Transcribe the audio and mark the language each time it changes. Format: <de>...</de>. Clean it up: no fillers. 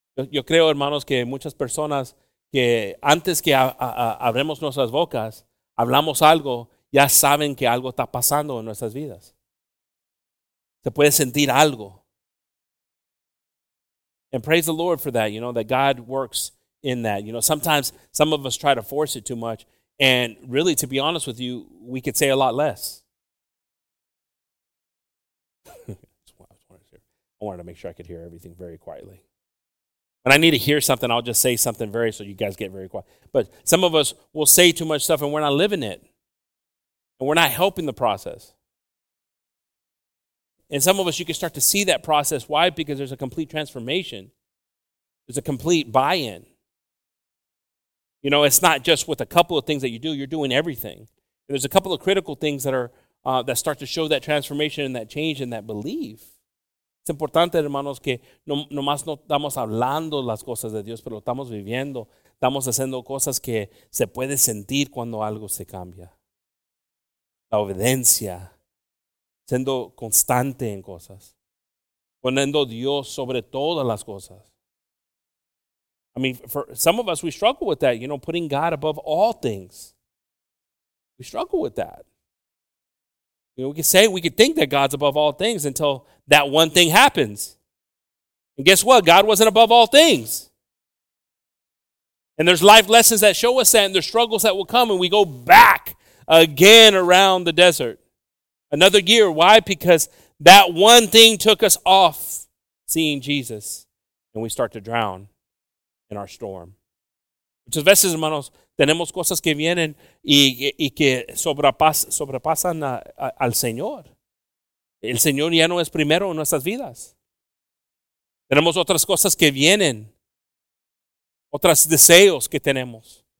<es>Yo creo, hermanos, que muchas personas que antes que abremos nuestras bocas, hablamos algo, ya saben que algo está pasando en nuestras vidas. Se puede sentir algo.</es> <en>And praise the Lord for that, you know, that God works in that. You know, sometimes some of us try to force it too much. And really, to be honest with you, we could say a lot less. I wanted to make sure I could hear everything very quietly. When I need to hear something, I'll just say something very, so you guys get very quiet. But some of us will say too much stuff and we're not living it. And we're not helping the process. And some of us, you can start to see that process. Why? Because there's a complete transformation. There's a complete buy-in. You know, it's not just with a couple of things that you do. You're doing everything. And there's a couple of critical things that are that start to show that transformation and that change and that belief.</en> <es>Es importante, hermanos, que nomás no estamos hablando las cosas de Dios, pero lo estamos viviendo. Estamos haciendo cosas que se puede sentir cuando algo se cambia. La obediencia, siendo constante en cosas, poniendo Dios sobre todas las cosas.</es> <en>I mean, for some of us, we struggle with that, you know, putting God above all things. We struggle with that. You know, we could think that God's above all things until that one thing happens. And guess what? God wasn't above all things. And there's life lessons that show us that, and there's struggles that will come, and we go back again around the desert. Another year. Why? Because that one thing took us off seeing Jesus, and we start to drown in our storm.</en> <es>Muchas veces, hermanos, tenemos cosas que vienen y que sobrepasan al Señor. El Señor ya no es primero en nuestras vidas. Tenemos otras cosas que vienen, otros deseos que tenemos.</es>